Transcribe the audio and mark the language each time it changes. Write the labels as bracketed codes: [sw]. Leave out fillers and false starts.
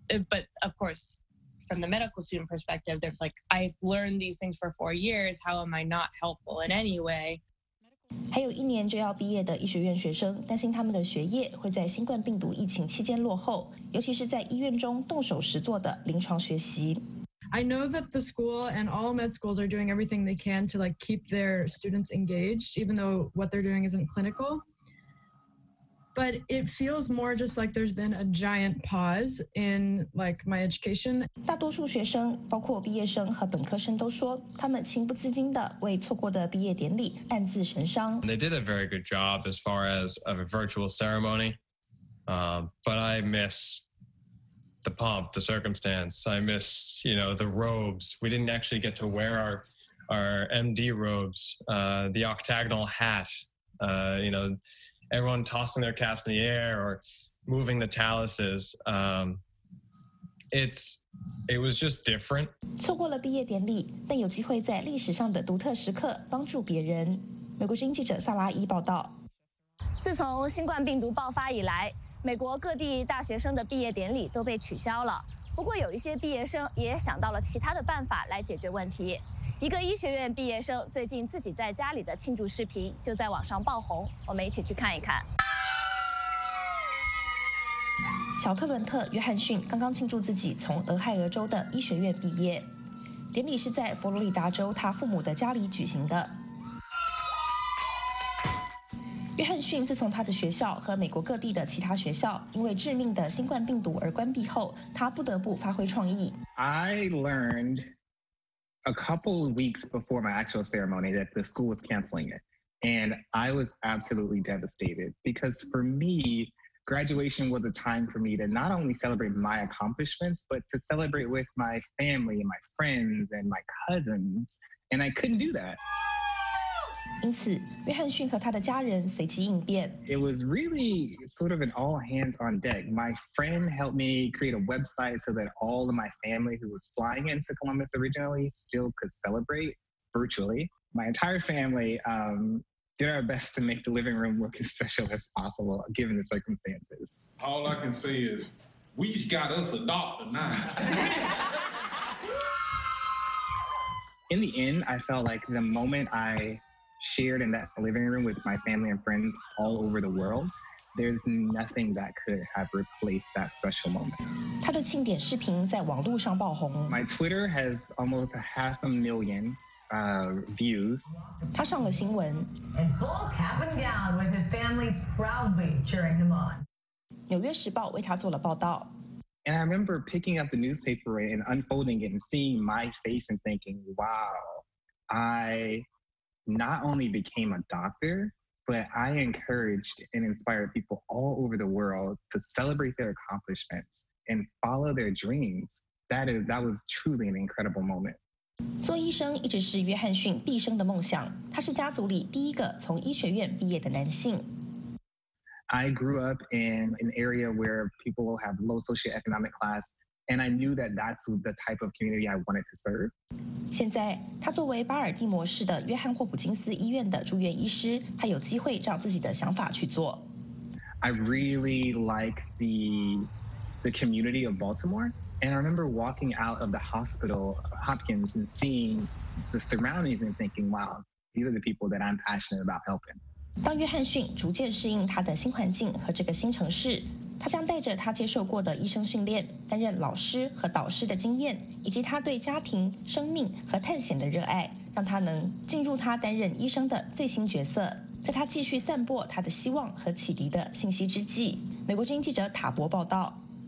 [en] But of course, from the medical student perspective, there's like, I've learned these things for 4 years, how am I not helpful in any way? [zh] 还有一年就要毕业的医学院学生担心他们的学业会在新冠病毒疫情期间落后，尤其是在医院中动手实做的临床学习。 [en] I know that the school and all med schools are doing everything they can to like keep their students engaged, even though what they're doing isn't clinical. But it feels more just like there's been a giant pause in like my education. [zh] 大多数学生，包括毕业生和本科生都说，他们情不自禁地为错过的毕业典礼暗自神伤。 [en] They did a very good job as far as a virtual ceremony, but I miss... the pomp, the circumstance. I miss, you know, the robes. We didn't actually get to wear our MD robes, the octagonal hat, you know, everyone tossing their caps in the air or moving the taluses. It was just different. [zh] 错过了毕业典礼，但有机会在历史上的独特时刻帮助别人。美国之音记者萨拉伊报道。自从新冠病毒爆发以来，美国各地大学生的毕业典礼都被取消了，不过有一些毕业生也想到了其他的办法来解决问题。一个医学院毕业生最近自己在家里的庆祝视频就在网上爆红，我们一起去看一看。小特伦特·约翰逊刚刚庆祝自己从俄亥俄州的医学院毕业，典礼是在佛罗里达州他父母的家里举行的。约翰逊自从他的学校和美国各地的其他学校因为致命的新冠病毒而关闭后，他不得不发挥创意。 [en] I learned a couple of weeks before my actual ceremony that the school was canceling it, and I was absolutely devastated because for me, graduation was a time for me to not only celebrate my accomplishments, but to celebrate with my family and my friends and my cousins, and I couldn't do that. [zh] 因此，约翰逊和他的家人随机应变。 [en] It was really sort of an all hands on deck. My friend helped me create a website so that all of my family who was flying into Columbus originally still could celebrate virtually. My entire family did our best to make the living room look as special as possible given the circumstances. All I can say is, we got us a doctor now. In the end, I felt like the moment I shared in that living room with my family and friends all over the world, there's nothing that could have replaced that special moment. [zh] 他的庆典视频在网络上爆红。 [en] My Twitter has almost half a million views. [zh] 他上了新闻。 [en] In full cap and gown with his family proudly cheering him on. [zh] 纽约时报为他做了报道。 [en] And I remember picking up the newspaper and unfolding it and seeing my face and thinking, wow, I not only became a doctor, but I encouraged and inspired people all over the world to celebrate their accomplishments and follow their dreams. That was truly an incredible moment. [zh] 做医生一直是约翰逊毕生的梦想。他是家族里第一个从医学院毕业的男性。 [en] I grew up in an area where people have low socioeconomic class, and I knew that that's the type of community I wanted to serve. [zh] 现在，他作为巴尔的摩市的约翰霍普金斯医院的住院医师，他有机会照自己的想法去做。 [en] I really like the community of Baltimore, and I remember walking out of the hospital Hopkins and seeing the surroundings and thinking, "Wow, these are the people that I'm passionate about helping." [zh] 当约翰逊逐渐适应他的新环境和这个新城市，他将带着他接受过的医生训练、担任老师和导师的经验，以及他对家庭、生命和探险的热爱，让他能进入他担任医生的最新角色。在他继续散播他的希望和启迪的信息之际，美国之音记者塔博报道。